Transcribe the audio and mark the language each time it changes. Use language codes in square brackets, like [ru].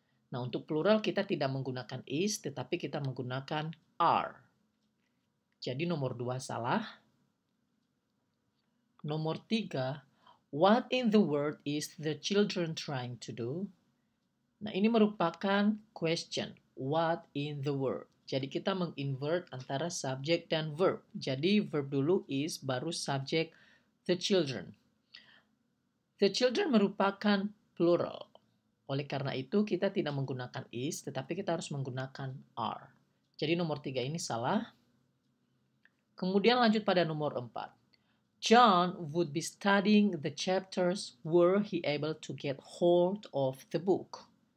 [id] Nah, untuk plural kita tidak menggunakan is, tetapi kita menggunakan are. Jadi nomor 2 salah. Nomor 3, [en] what in the world is the children trying to do? [id] Nah, ini merupakan question, what in the world. Jadi kita menginvert antara subject dan verb. Jadi verb dulu, is, baru subject, [en] the children. The children [id] merupakan plural. Oleh karena itu kita tidak menggunakan is, tetapi kita harus menggunakan are. Jadi nomor 3 ini salah. Kemudian lanjut pada nomor 4. [en] John would be studying the chapters were he able to get hold of the book.